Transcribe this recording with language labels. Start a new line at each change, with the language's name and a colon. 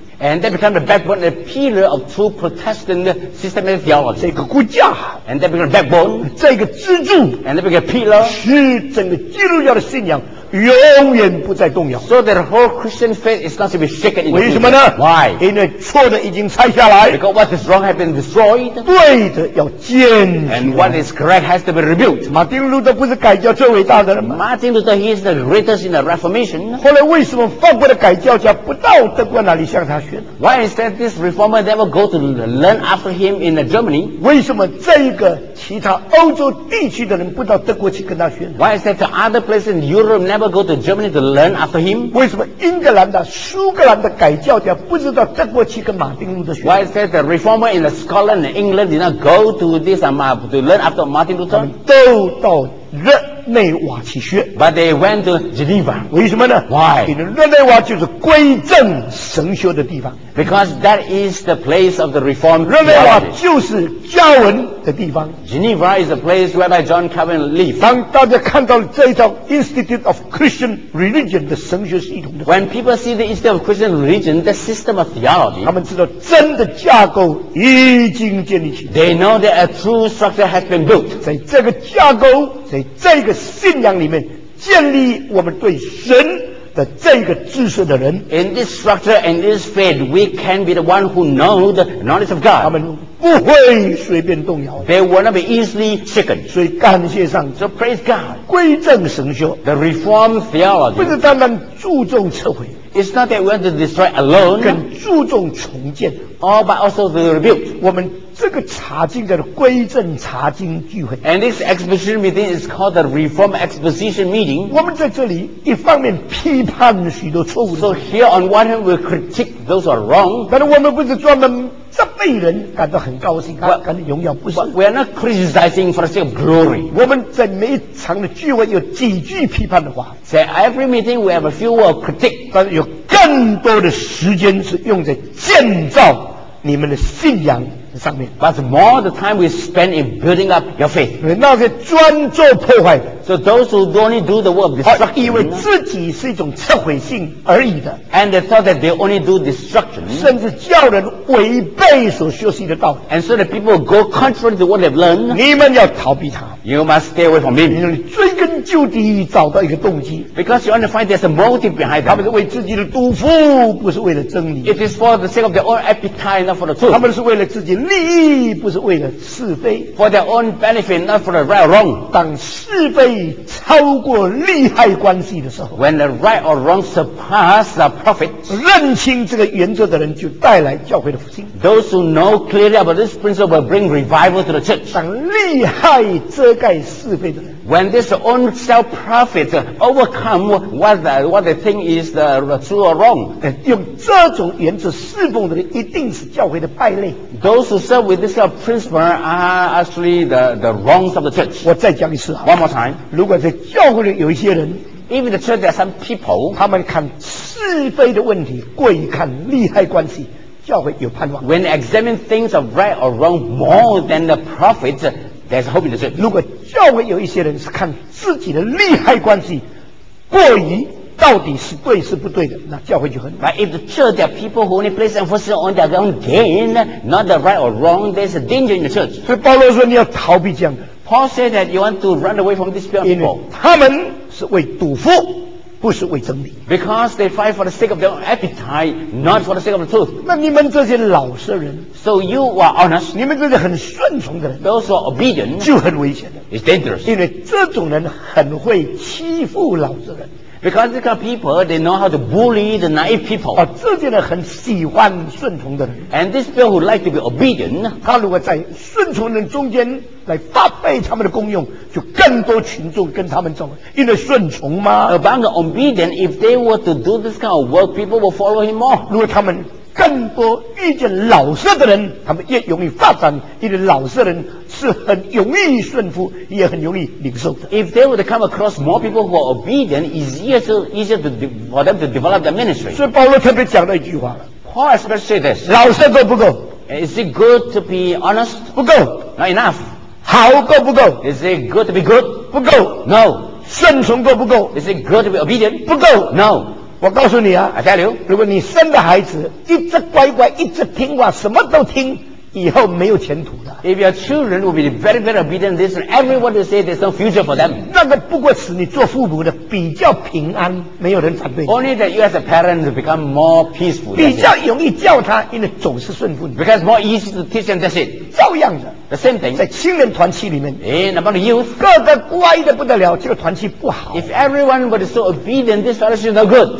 English: And that becomes the backbone, the pillar of true Protestant systematic theology.
Chinese: 这个骨架。
English: And that becomes the backbone.
Chinese: 这个支柱。
English: And that becomes a pillar.
Chinese: 使整个基督教的信仰永远不再动摇。
English: So that the whole Christian faith is not to be shaken in the future.
Chinese: 为什么呢？
English: Why?
Chinese: 因为错的已经拆下来。
English: Because what is wrong has been destroyed.
Chinese: 对的要建起来。
English: And what is correct has to be rebuilt.
Chinese: 马丁路德不是改教最伟大的人吗？
English: Martin Luther, he is the greatest in the Reformation.
Chinese: 后来为什么法国的改教家不到德国那里向他学呢？
English: Why is that this reformer never go to learn after him in Germany?
Chinese: 为什么这个其他欧洲地区的人不到德国去跟他学呢？
English: Why is that the other place in Europe never go to Germany to learn after him?
Chinese: 为什么英格兰的、苏格兰的改教家不知道德国去跟马丁路德学？
English: Why is that the reformer in Scotland and England did not go to this to learn after Martin Luther?
Chinese: 都到日内瓦去学。
English: But they went to Geneva.
Chinese: 为什么呢？
English: Why?
Chinese: 因为日内瓦就是归正神学的地方。
English: Because that is the place of the reform.
Chinese: 日内瓦就是教文的地方。
English: Geneva is the place whereby John Calvin lived.
Chinese: 当大家看到这一套 Institute of Christian Religion 的神学系统的
English: ，When people see the Institute of Christian Religion, the system of theology,
Chinese: 他们知道真的架构已经建立起来。
English: They know that a true structure has been built.
Chinese: 在这个架构，在这个信仰里面，建立我们对神。的这个知识的人
English: ，In this structure and this faith, we can be the one who know the knowledge of God.
Chinese: 他们不会随便动摇。
English: They will not be easily shaken.
Chinese: 所以感谢上帝。
English: So praise God.
Chinese: 归正神学
English: ，The Reformed theology.
Chinese: 不是单单注重撤回。
English: It's not that we want to destroy alone.
Chinese: 更注重重建。
English: All but also the rebuild.
Chinese: 我们这个查经叫做归正查经聚会。
English: And this exposition meeting is called the Reform Exposition Meeting.
Chinese: 我们在这里一方面批判许多错误。
English: So here on one hand we critique those who are wrong.
Chinese: 但是我们不是专门责备人感到很高兴，感到荣耀，不是。
English: We are not criticizing for the sake of glory.
Chinese: 我们在每一场的聚会有几句批判的话。
English: So every meeting we have a few words of critique.
Chinese: 但是有更多的时间是用在建造你们的信仰。上面。
English: But more the time we spend in building up your faith.
Chinese: 那些专做破坏的。
English: So those who only do the work of destruction.
Chinese: 以为自己是一种摧毁性而已的。
English: And they thought that they only do destruction.
Chinese: 甚至叫人违背所学习的道理。
English: And so the people go contrary to what they've learned.
Chinese: 你们要逃避他。
English: You must stay away from him.
Chinese: 因为追根究底找到一个动机。
English: Because you want to find there's a motive behind them.
Chinese: 他们是为自己的肚腹，不是为了真理。
English: It is for the sake of their own appetite, not for the truth.
Chinese: 他们是为了自己利益，不是为了是非。
English: For their own benefit, not for the right or wrong.
Chinese: 当是非超过利害关系的时候，
English: When the right or wrong surpass the profit,
Chinese: 认清这个原则的人就带来教会的复兴。
English: Those who know clearly about this principle will bring revival to the church.
Chinese: 当利害遮盖是非的人，
English: When this own self-profit overcome what they think is the true or wrong,
Chinese: 用这种原则侍奉的人一定是教会的败类。
English: Those who serve with this kind of principle are actually the wrongs of the church.
Chinese: 我再讲一次
English: 啊。One more time.
Chinese: 如果在教会里有一些人，
English: If the church there are some people,
Chinese: 他们看是非的问题过于看利害关系，教会有盼望。
English: When they examine things of right or wrong more than the profit, there's hope in the church.
Chinese: 如果教会有一些人是看自己的利害关系过于到底是对是不对的，那教会就很难。
English: But if the church there are people who only place emphasis on their own gain, not the right or wrong, there's a danger in the church.
Chinese: 所以保罗说你要逃避这样的。
English: Paul said that you want to run away from these people.
Chinese: 因为他们是为赌福，不是为真理。
English: Because they fight for the sake of their own appetite, not for the sake of the truth.
Chinese: 那你们这些老实人，
English: so you are honest.
Chinese: 你们这些很顺从的人，
English: those are obedient.
Chinese: 就很危险的。
English: It's dangerous.
Chinese: 因为这种人很会欺负老实人。
English: Because these kind of people, they know how to bully the naive people.
Chinese: 这些人很喜欢顺从的人。
English: And these people who like to be obedient,
Chinese: 他如果在顺从人中间来发挥他们的功用，就更多群众跟他们走，因为顺从嘛。
English: Among the obedient, if they were to do this kind of work, people will follow him more.
Chinese: 如果他们更多遇见老实的人，他们越容易发展，因为老实人是很容易顺服，也很容易领受的。
English: If they were to come across more people who are obedient, it's easier to for them to develop their ministry.
Chinese: 所以保罗特别讲了一句话了。
English: Paul especially said this.
Chinese: 老实够不够？
English: Is it good to be honest?
Chinese: 不够。
English: Not enough.
Chinese: 好够不够？
English: Is it good to be good?
Chinese: 不够。
English: No.
Chinese: 顺从够不够？
English: Is it good to be obedient?
Chinese: 不够。
English: No.
Chinese: 我告诉你啊，
English: I tell you,
Chinese: 如果你生的孩子一直乖乖一直听话什么都听，以后没有前途的。
English: If your children will be very very obedient to listen, everyone will say there's no future for them.
Chinese: 那个不过使你做父母的比较平安，没有人反对。
English: Only that you as a parent become more peaceful.
Chinese: 比较容易教他，因为总是顺服你。
English: Because more easy to teach them, that's it.
Chinese: 照样的。
English: The same thing.
Chinese: 在青年团契里面，
English: in among the youth,
Chinese: 个个乖得不得了，这个团契不好。
English: If everyone were so obedient, this fellowship is no good.